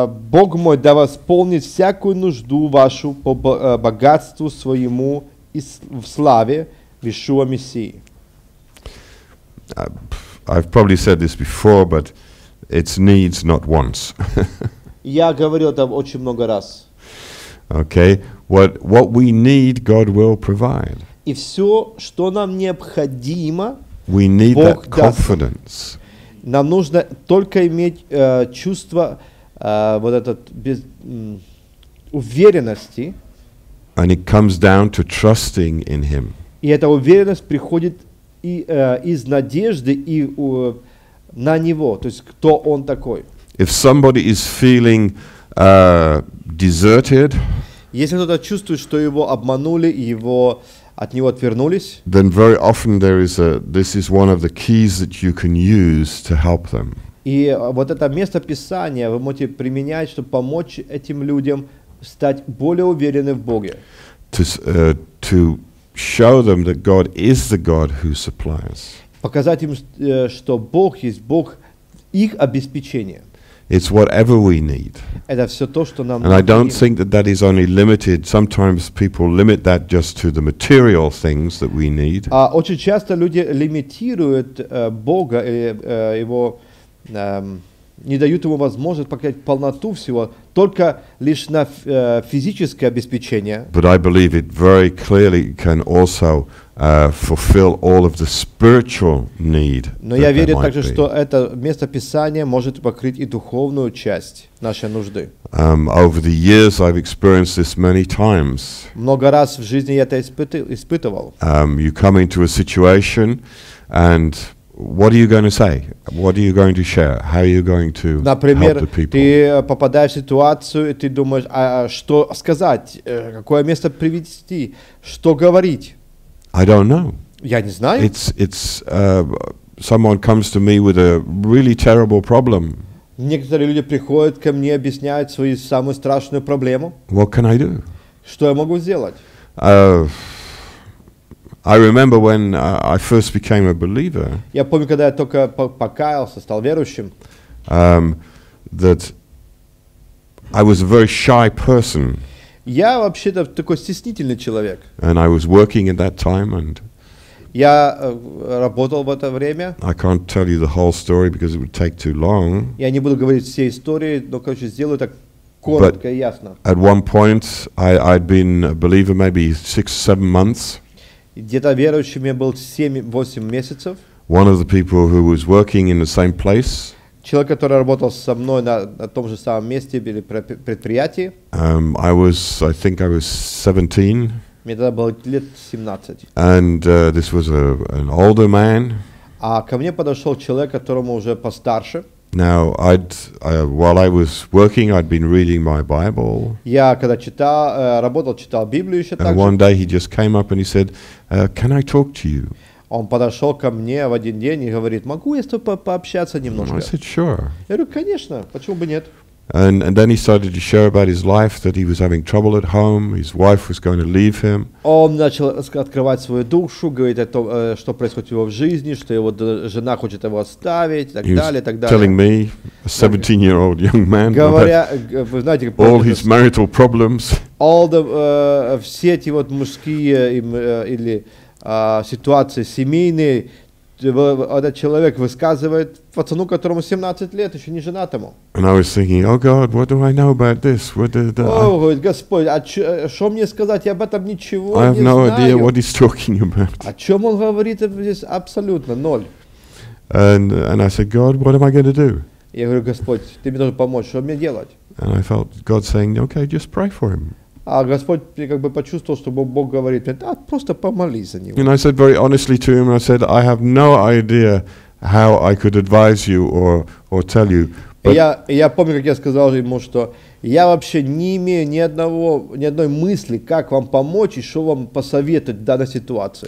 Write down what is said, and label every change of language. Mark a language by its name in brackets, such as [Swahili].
[Russian] Бог мой да восполнит всякую нужду вашу по богатству своему и в славе Вишуа Мессии. [English] I've probably said this before, but it's needs, not wants. [Russian] Я говорил это очень много раз. [English] Okay, what we need, God will provide. [Russian] И все, что нам необходимо, [English] we need [Russian] Бог [English] that confidence. [Russian] Даст. Нам нужно только иметь чувство вот этот без уверенности. [English] And it comes down to trusting in Him. [Russian] И эта уверенность приходит и из надежды и на Него, то есть кто Он такой. [English] If somebody is feeling deserted, [Russian] если кто-то чувствует, что его обманули, его от него отвернулись, [English] then very often there is a this is one of the keys that you can use to help them. [Russian] И вот это место Писания вы можете применять, чтобы помочь этим людям стать более уверены в Боге. [English] To show them that God is the God who supplies. [Russian] Показать им, что Бог есть Бог их обеспечения. [English] It's whatever we need. [Russian] Это все то, что нам. [English] And I don't think that is only limited. Sometimes people limit that just to the material things that we need. [Russian] А очень часто люди лимитируют Бога или его не дают ему возможность показать полноту всего только лишь на физическое обеспечение. [English] But I believe it very clearly can also fulfill all of the spiritual need. [Russian] Но я верю также, что это место Писания может покрыть и духовную часть нашей нужды. [English] Over the years I've experienced this many times. [Russian] Много раз в жизни я это испытывал. [English] You come into a situation and what are you going to say? What are you going to share? How are you going to [Russian] Например, [English] help the people? [Russian] Ты попадаешь в ситуацию, и ты думаешь, а что сказать? Какое место привести? Что говорить? [English] I don't know. [Russian] Я не знаю. [English] It's someone comes to me with a really terrible problem. [Russian] Некоторые люди приходят ко мне, объясняют свою самую страшную проблему. [English] What can I do? [Russian] Что я могу сделать? [English] I remember when I first became a believer. [Russian] Я помню, когда я только покаялся, стал верующим. [English] That I was a very shy person. [Russian] Я вообще-то такой стеснительный человек. [English] And I was working at that time and [Russian] я работал в это время. [English] I can't tell you the whole story because it would take too long. [Russian] Я не буду говорить все истории, но, короче, сделаю так коротко и ясно. [English] At one point I'd been a believer maybe 6-7 months. [Russian] Где-то верующим я был 7-8 месяцев. [English] One of the people who was working in the same place. [Russian] Человек, который работал со мной на том же самом месте или предприятии. [English] I was, I think I was 17. [Russian] Мне тогда было лет 17. [English] And this was an older man. [Russian] А ко мне подошел человек, которому уже постарше. [English] Now, while I was working, I'd been reading my Bible. [Russian] Я когда читал, работал, читал Библию еще также. [English] And one day he just came up and he said, "Can I talk to you?" [Russian] Он подошел ко мне в один день и говорит, могу я с тобой пообщаться немножко? [English] I said, sure. [Russian] Я говорю, конечно, почему бы нет? [English] And then he started to share about his life, that he was having trouble at home, his wife was going to leave him. [Russian] Он начал открывать свою душу, говорить о том, что происходит у него в жизни, что его жена хочет его оставить, так далее, так далее. [English] Telling me, a 17-year-old young man, [Russian] говоря, вы знаете, [English] all his marital problems. All the, [Russian] все эти вот мужские или ситуации семейные, этот человек высказывает пацану, которому 17 лет, еще не женатому. [English] And I was thinking, oh God, what do I know about this? What did I? [Russian] Oh, говорит, Господь, а что мне сказать? Я об этом ничего не знаю. [English] I have no idea what he's talking about. [Russian] О чем он говорит? Здесь абсолютно ноль. [English] And I said, God, what am I going to do? [Russian] Я говорю, Господь, ты мне должен помочь, что мне делать? [English] And I felt God saying, okay, just pray for him. [Russian] А Господь как бы почувствовал, что Бог говорит мне, да, просто помолись за него. [English] And I said very honestly to him, I said, I have no idea how I could advise you or tell you. [Russian] Я помню, как я сказал ему, что я вообще не имею ни одной мысли, как вам помочь и что вам посоветовать в данной ситуации.